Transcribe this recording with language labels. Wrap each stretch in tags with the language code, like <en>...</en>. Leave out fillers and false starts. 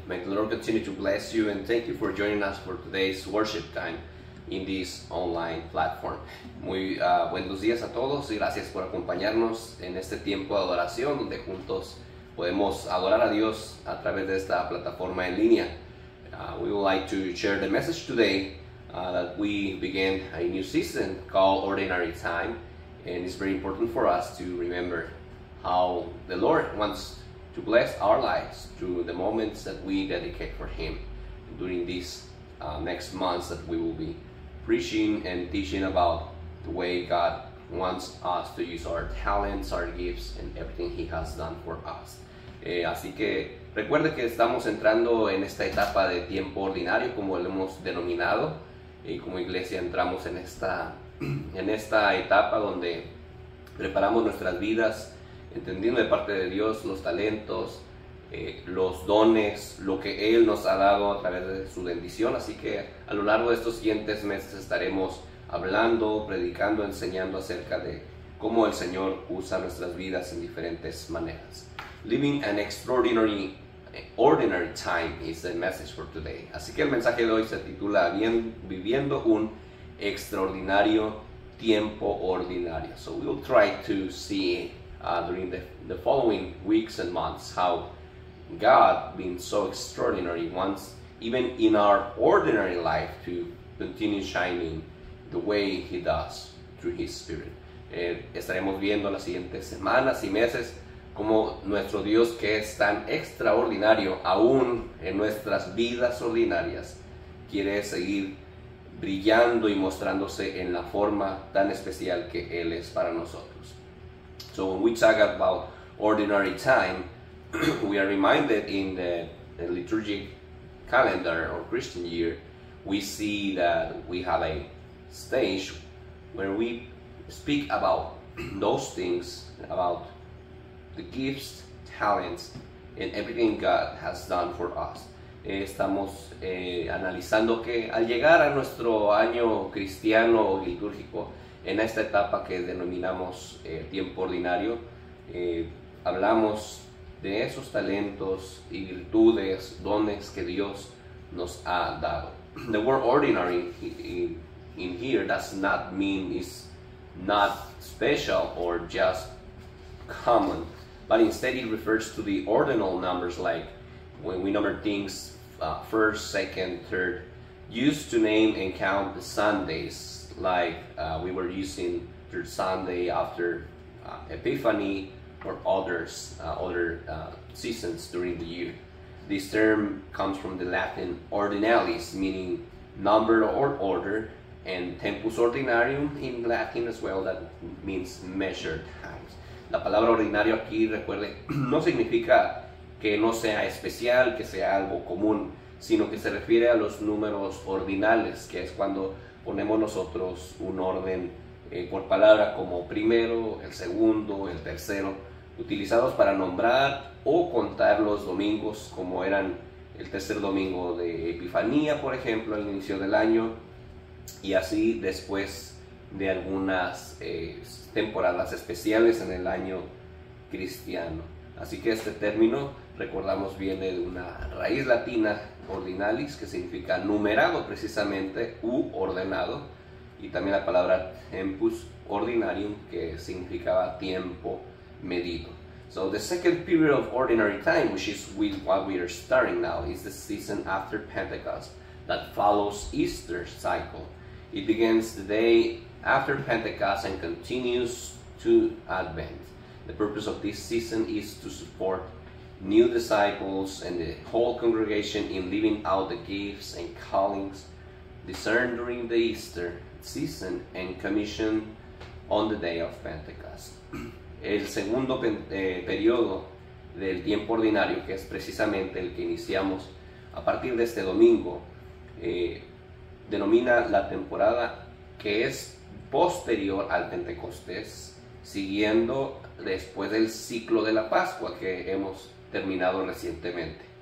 <en>May the Lord continue to bless you and thank you for joining us for today's worship time in this online platform.</en> <es>Muy buenos días a todos y gracias por acompañarnos en este tiempo de adoración donde juntos podemos adorar a Dios a través de esta plataforma en línea.</es> <en>We would like to share the message today that we began a new season called Ordinary Time, and it's very important for us to remember how the Lord wants to bless our lives through the moments that we dedicate for Him during these next months that we will be preaching and teaching about the way God wants us to use our talents, our gifts, and everything He has done for us.</en> <es>Así que recuerde que estamos entrando en esta etapa de tiempo ordinario, como lo hemos denominado, y como iglesia entramos en esta etapa donde preparamos nuestras vidas entendiendo de parte de Dios los talentos, los dones, lo que Él nos ha dado a través de su bendición. Así que a lo largo de estos siguientes meses estaremos hablando, predicando, enseñando acerca de cómo el Señor usa nuestras vidas en diferentes maneras.</es> <en>Living an extraordinary, ordinary time is the message for today.</en> <es>Así que el mensaje de hoy se titula Viviendo un extraordinario tiempo ordinario.</es> <en>So we'll try to see during the following weeks and months how God, being so extraordinary, wants even in our ordinary life to continue shining the way He does through His Spirit.</en> <es>Estaremos viendo las siguientes semanas y meses cómo nuestro Dios, que es tan extraordinario aún en nuestras vidas ordinarias, quiere seguir brillando y mostrándose en la forma tan especial que Él es para nosotros.</es> <en>So when we talk about ordinary time, we are reminded in the liturgic calendar or Christian year, we see that we have a stage where we speak about those things, about the gifts, talents, and everything God has done for us.</en> <es>Estamos analizando que al llegar a nuestro año cristiano o litúrgico, en esta etapa que denominamos tiempo ordinario, hablamos de esos talentos y virtudes, dones que Dios nos ha dado.</es> <en>The word ordinary in here does not mean it's not special or just common, but instead it refers to the ordinal numbers, like when we number things first, second, third, used to name and count the Sundays. Like we were using third Sunday after Epiphany or other seasons during the year. This term comes from the Latin ordinalis, meaning number or order, and tempus ordinarium in Latin as well, that means measured times.</en> <es>La palabra ordinario aquí, recuerde, no significa que no sea especial, que sea algo común, sino que se refiere a los números ordinales, que es cuando ponemos nosotros un orden por palabra, como primero, el segundo, el tercero, utilizados para nombrar o contar los domingos, como eran el tercer domingo de Epifanía, por ejemplo, al inicio del año, y así después de algunas temporadas especiales en el año cristiano. Así que este término, recordamos, viene de una raíz latina, ordinalis, que significa numerado precisamente, u ordenado, y también la palabra tempus ordinarium, que significaba tiempo medido.</es> <en>So the second period of ordinary time, which is with what we are starting now, is the season after Pentecost that follows Easter cycle. It begins the day after Pentecost and continues to Advent. The purpose of this season is to support new disciples and the whole congregation in living out the gifts and callings discerned during the Easter season and commissioned on the day of Pentecost.</en> <es>El segundo periodo del tiempo ordinario, que es precisamente el que iniciamos a partir de este domingo, denomina la temporada que es posterior al Pentecostés, siguiendo después del ciclo de la Pascua que hemos terminado recientemente.</es>